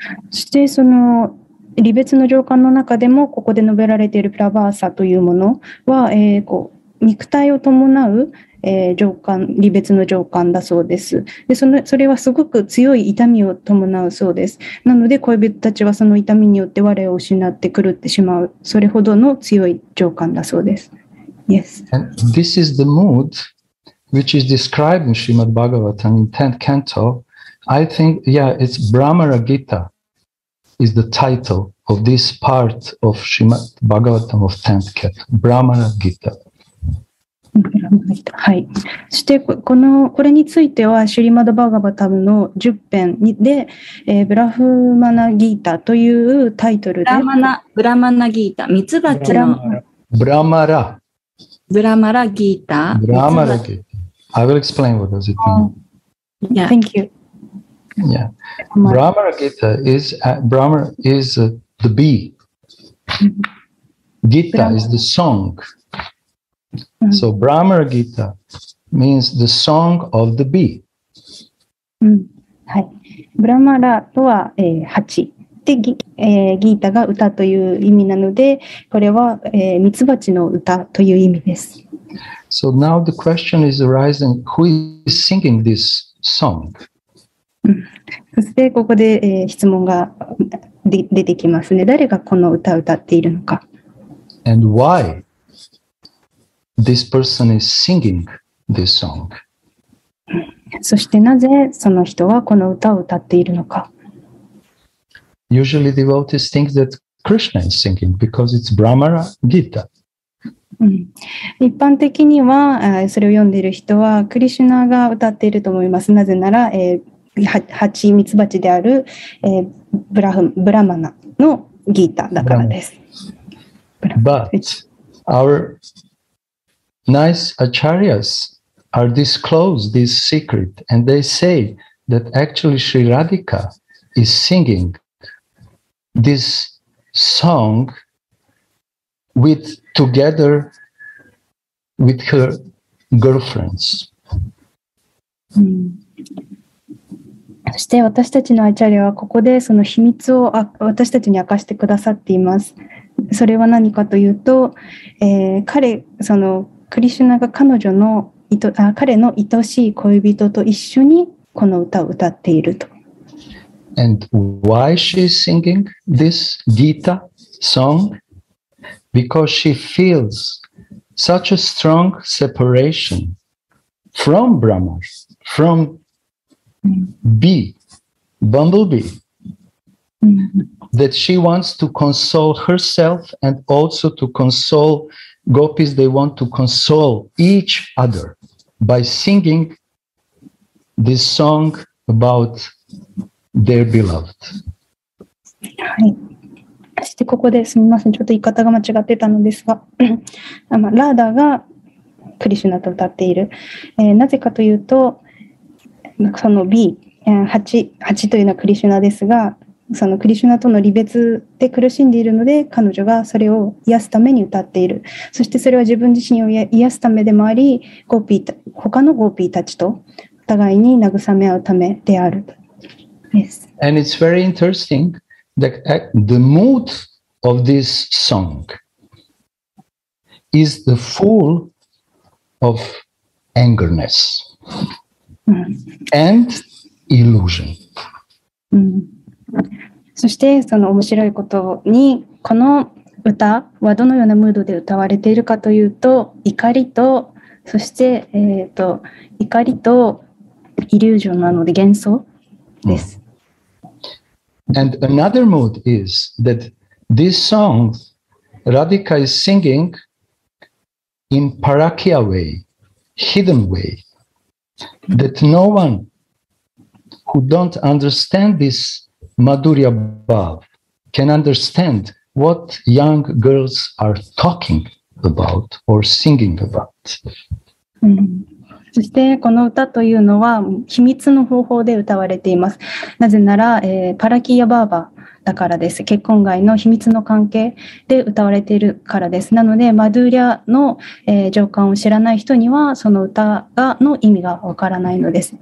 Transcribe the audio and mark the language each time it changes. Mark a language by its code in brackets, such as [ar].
[ja] そしてその離別の情感の中でもここで述べられているプラバーサというものは、こう肉体を伴う情感、離別の情感だそうです。で、それはすごく強い痛みを伴うそうです。なので恋人たちはその痛みによって我を失って狂ってしまう、それほどの強い情感だそうです。 [en] Yes. And this is the mood which is described in Srimad Bhagavatam in 10th canto. I think, yeah, it's Brahmara Gita is the title of this part of Srimad Bhagavatam of 10th canto. Brahmara Gita. [ja] はい、そしてこれについてはシュリマドバガバタムの10編で、ブラフマナギータというタイトルでブラマナギータミツバチのブラマラブラマラギータ [en] ブラマラギータ I will explain what does it mean、 yeah. Thank you、 yeah. ブラマラギータ is, Brahmara is the bee Gita is the songSo, Brahmara Gita means the song of the bee.、 [ja] はい、Brahmara とは、蜂で、ギータが歌という意味なので、これは、ミツバチの歌という意味です。 [en] So now the question is arising, who is singing this song? [ja] そしてここで、質問が出てきますね。誰がこの歌を歌っているのか。 [en] And why? This person is singing this song. [ja] そしてなぜその人はこの歌を歌っているのか? [en] Usually devotees think that Krishna is singing because it's Brahmara Gita. [ja] 一般的にはそれを読んでいる人はクリシュナが歌っていると思います。なぜなら、ハチミツバチである、ブラマナのギータだからです。 [en] But our... Nice acharyas are disclose this secret and they say that actually Sri Radhika is singing this song with together with her girlfriends.、 [ja] うん、そして私たちのアチャリアはここでその秘密を私たちに明かしてくださっています。それは何かというと、彼そのクリシュナが彼女の彼の愛しい恋人と一緒にこの歌を歌っていると。 [en] And why she is singing this Gita song? Because she feels such a strong separation from Brahma, from bee, bumblebee, that she wants to console herself and also to consoleGopis, they want to console each other by singing this song about their beloved. [ja] はい。そしてここですみません、ちょっと言い方が間違ってたのですが、ラーダがクリシュナと歌っている。なぜかというと、その B、ハチというのはクリシュナですが、そのクリシュナとの離別で苦しんでいるので彼女がそれを癒すために歌っているそしてそれは自分自身を癒すためでもありゴーピー他のゴーピーたちとお互いに慰め合うためである、yes. [en] And it's very interesting that the mood of this song is the full of angerness and illusion、 mm. [ja] そしてその面白いことにこの歌はどのようなムードで歌われているかというと怒りとそして怒りとイリュージョンなので幻想です、 mm. [en] And another mood is that this song Radhika is singing in parakya way hidden way that no one who don't understand thisMadhurya Bhav can understand what young girls are talking about or singing about.、 [ja] うん、そしてこの歌というのは秘密の方法で歌われています。なぜなら、パラキヤバーバーだからです。結婚外の秘密の関係で歌われているからです。なのでマドゥリアの、情感を知らない人にはその歌がの意味がわからないのです。